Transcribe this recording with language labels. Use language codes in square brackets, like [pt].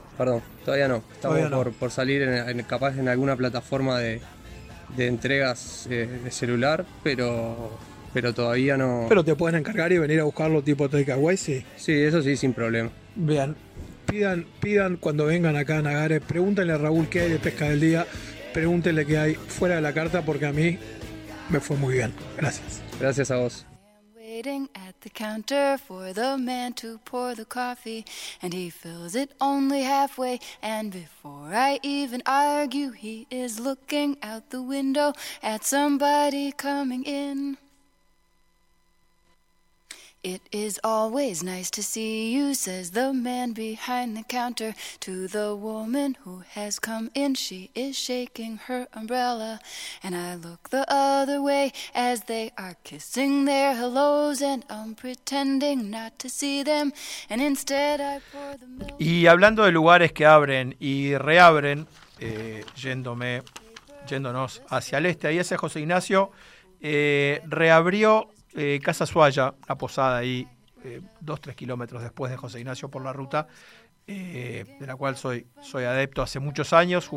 [es] Por salir capaz en alguna plataforma de entregas de celular, pero todavía no. Pero te pueden encargar y venir a buscarlo tipo takeaway, sí. Sí, eso sí, sin problema. Bien. pidan cuando vengan acá a Nagare, pregúntenle a Raúl qué hay de pesca del día, pregúntenle qué hay fuera de la carta, porque a mí me fue muy bien. Gracias. Gracias a vos. [en] Waiting at the counter for the man to pour the coffee, and he fills it only halfway, and before I even argue, he is looking out the window at somebody coming in. It is always nice to see you, says the man behind the counter to the woman who has come in. She is shaking her umbrella, and I look the other way as they are kissing their hellos, and I'm pretending not to see them, and instead I pour the milk. [es] Y hablando de lugares que abren y reabren, yéndonos hacia el este, ahí ese José Ignacio reabrió Casa Suaya, la posada ahí, 2-3 kilómetros después de José Ignacio por la ruta, de la cual soy adepto hace muchos años.